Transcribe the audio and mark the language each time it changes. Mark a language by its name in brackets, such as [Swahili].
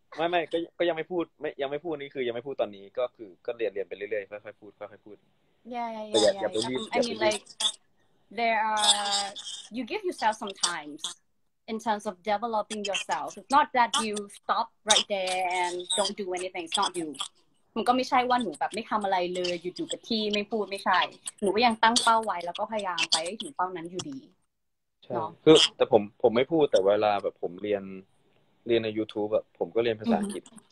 [Thai] ไม่ก็ยังไม่พูดนี่คือยังไม่พูดตอนนี้ก็คือก็เรียนไปเรื่อยๆค่อยพูด [English] Yeah. I mean like there are you give yourself some timesin terms of developing yourself. It's not that you stop right there and don't do anything. It's not you. [Thai] มันก็ไม่ใช่ว่าหนูแบบไม่ทำอะไรเลยอยู่กับที่ไม่พูดไม่ใช่หนูก็ยังตั้งเป้าไว้แล้วก็พยายามไปถึงเป้านั้นอยู่ดี ใช่คือแต่ผมไม่พูดแต่เวลาแบบผมเรียนใน YouTube อ่ะผมก็เรียนภาษาอังกฤษ